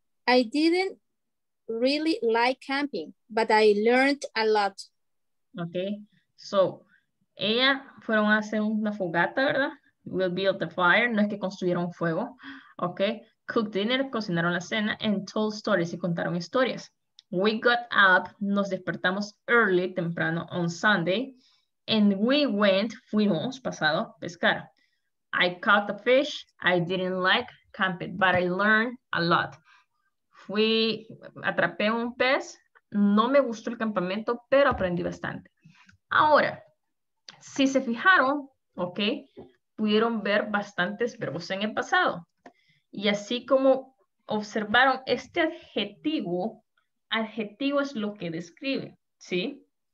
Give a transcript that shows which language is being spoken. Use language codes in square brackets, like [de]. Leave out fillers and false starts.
[en] I didn't really like camping, but I learned a lot. Okay. [es] So, ella fueron a hacer una fogata, ¿verdad? [en] We'll build the fire, [es] no es que construyeron fuego, okay, [en] cooked dinner, [es] cocinaron la cena, [en] and told stories, [es] y contaron historias. [en] We got up, [es] nos despertamos [en] early, temprano, on Sunday, and we went, [es] fuimos, pasado, pescar. [en] I caught the fish, I didn't like camping, but I learned a lot. [es] Fui, atrapé un pez, no me gustó el campamento, pero aprendí bastante. Ahora, si se fijaron, okay, pudieron ver bastantes verbos en el pasado. Y así como observaron este adjetivo es lo que describe, ¿sí?